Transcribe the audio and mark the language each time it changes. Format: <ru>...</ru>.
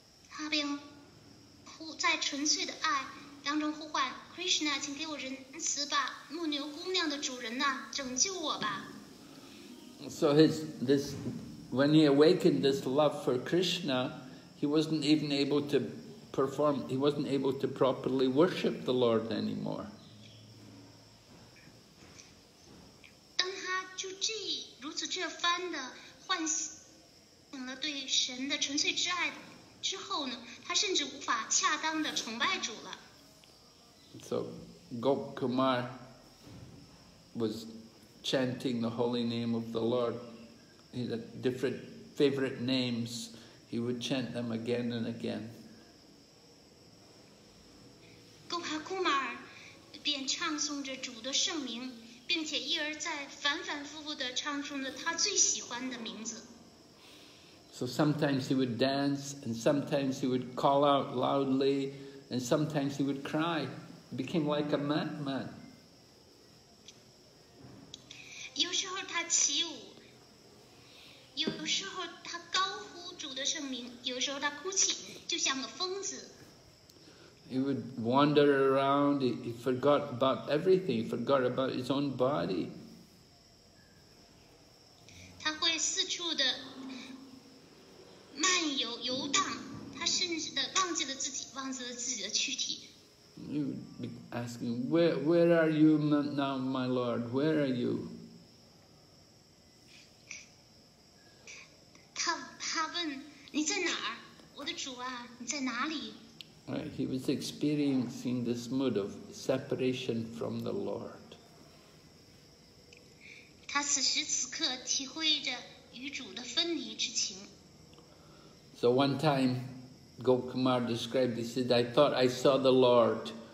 <zh>他便呼在纯粹的爱当中呼唤Krishna, 请给我仁慈吧，牧牛姑娘的主人呐，拯救我吧。</zh> <en>So when he awakened this love for Krishna, he wasn't even able to perform, he wasn't able to properly worship the Lord anymore.</en> <zh>当他就这如此这番的唤醒了对神的纯粹之爱之后呢，他甚至无法恰当的崇拜主了。</zh> <en>So Gopakumar was chanting the holy name of the Lord. He had different favorite names. He would chant them again and again.</en> <zh>Gopakumar 便唱诵着主的圣名，并且一而再反反复复地唱诵着他最喜欢的名字。</zh> <en>So sometimes he would dance, and sometimes he would call out loudly, and sometimes he would cry. Became like a madman.</en> <zh>有时候他起舞，有时候他高呼主的圣名，有时候他哭泣，就像个疯子。</zh> <en>He would wander around. He forgot about everything. He forgot about his own body.</en> <zh>他会四处的漫游游荡，他甚至的忘记了自己，忘记了自己的躯体。</zh> <en>He would be asking, where are you now, my Lord? Where are you? He</en> <zh>问你在哪儿，我的主啊，你在哪里？</zh> <en>Right, he was experiencing this mood of separation from the Lord. So one time, Gop Kumar described, he said, I thought I saw the Lord.</en>